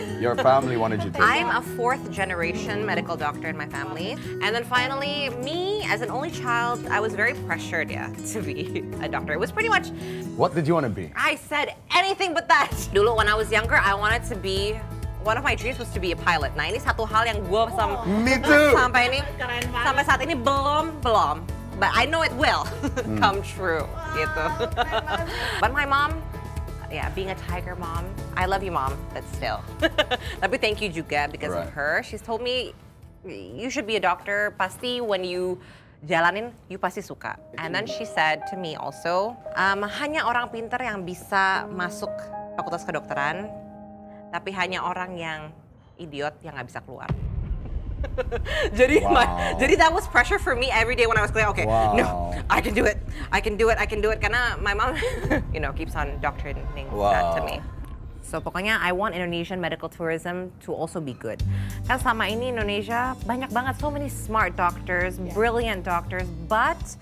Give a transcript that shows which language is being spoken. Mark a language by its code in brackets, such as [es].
[en] Your family wanted you to. I'm a fourth generation medical doctor in my family. And then finally, me as an only child, I was very pressured to be a doctor. It was pretty much... What did you want to be? I said anything but that. Dulu when I was younger, I wanted to be... One of my dreams was to be a pilot. [id] Nah ini satu hal yang gue sampai saat ini belum. [en] But I know it will come true, gitu. But my mom, being a tiger mom, I love you, mom, but still. Tapi thank you juga because of her. She's told me, you should be a doctor. [id] Pasti [en] when you [id] jalanin, you pasti suka. [en] And then she said to me also, [id] hanya orang pintar yang bisa masuk fakultas kedokteran, tapi hanya orang yang idiot yang gak bisa keluar. [en] Jadi that was pressure for me every day when I was clear. Okay, no, I can do it. I can do it. I can do it. Karena my mom, you know, keeps on doctrinating that to me. So pokoknya I want Indonesian medical tourism to also be good. [id] Kan selama ini Indonesia banyak banget, [en] so many smart doctors, brilliant doctors, but